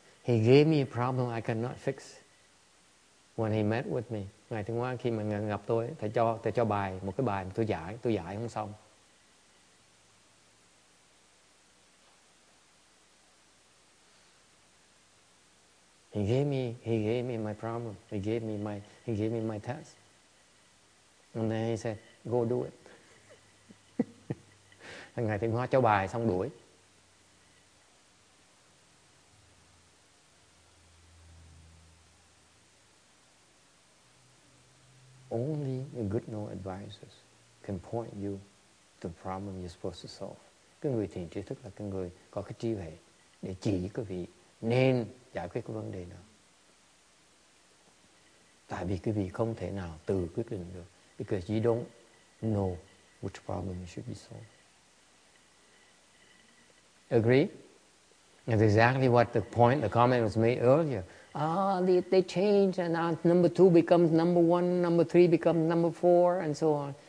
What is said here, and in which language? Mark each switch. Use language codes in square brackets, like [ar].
[en] He gave me a problem I cannot fix when he met with me. [vi] Ngài Thiên Hóa khi mà gặp tôi, thầy cho bài, một cái bài mà tôi giải không xong. [en] He gave me my problem. He gave me my test. And then he said, Go do it. [vi] Hằng ngày Thiện Hoa cho bài xong đuổi. [en] Only a good no advisor can point you to the problem you're supposed to solve. [vi] Cái người thiền trí thức là cái người có cái trí huệ để chỉ quý vị nên giải quyết cái vấn đề nào. Tại vì quý vị không thể nào tự quyết định được. [en] Because you don't know which problem you should be solved. Agree? That's exactly what the point, the comment was made earlier. Ah, they change and number two becomes number one, number three becomes number four, and so on.